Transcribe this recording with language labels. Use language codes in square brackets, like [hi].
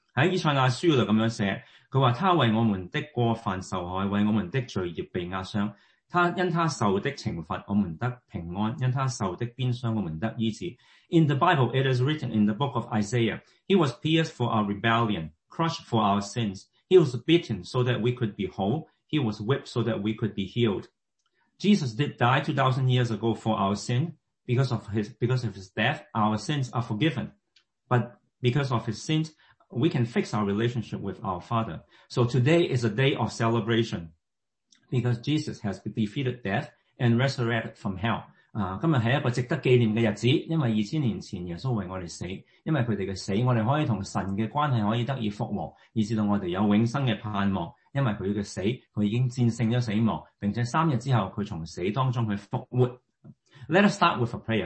[yue] 喺以赛亚书度咁样写，佢话他为我们的过犯受害，为我们的罪孽被压伤，他因他受的惩罚我们得平安，因他受的鞭伤我们得医治。 [en] In the Bible it is written in the book of Isaiah, He was pierced for our rebellion, crushed for our sins, He was beaten so that we could be whole,He was whipped so that we could be healed. Jesus did die 2,000 years ago for our sin. Because of his death, our sins are forgiven. But because of his sins, we can fix our relationship with our Father. So today is a day of celebration. Because Jesus has defeated death and resurrected from hell. [yue] 今日是一个值得纪念的日子，因为2000年前耶稣为我们死，因为他们的死我们可以和神的关系可以得以复活，以致我们有永生的盼望。因为他的死他已经战胜了死亡，并且三日之后他从死当中去复活。 [en] Let us start with a prayer.